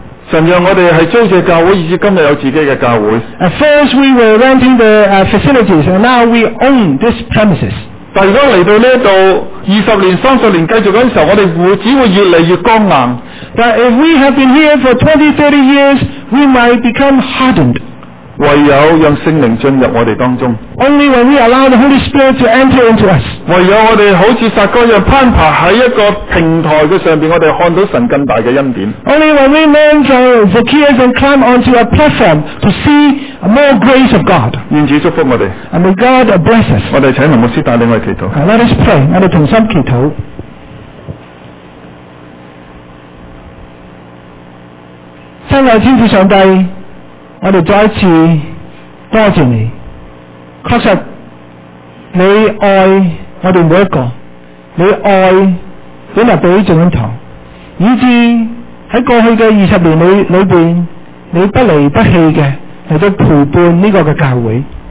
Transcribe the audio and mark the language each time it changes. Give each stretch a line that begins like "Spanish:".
Chinese: 神让我们是租借教会，以至今天有自己的教会。
English: At first we were renting the facilities, and now we own this premises.
Chinese: 但如果来到这里20年30年继续的时候，我们只会越来越刚硬。
English: But if we have been here for 20-30 years, we might become hardened.
Chinese: 唯有让圣灵进入我们当中。
English: Only when we allow the Holy Spirit to enter into us。
Chinese: 唯有我们好像撒该一样攀爬在一个平台的上面，我们看到神更大的恩典。
English: Only when we learn to Zacchaeus and climb onto a platform to see more grace of God。
Chinese: 愿主祝福我们。
English: And may God bless us。
Chinese: 我们请林牧师带领我们祈祷。
English: Let us pray。
Chinese: 我们同心祈祷。亲爱的天父上帝，我们再一次多谢你，确实你爱我们每一个，你爱本来被众人堂，以至在过去的二十年里面，你不离不弃的来到陪伴这个教会。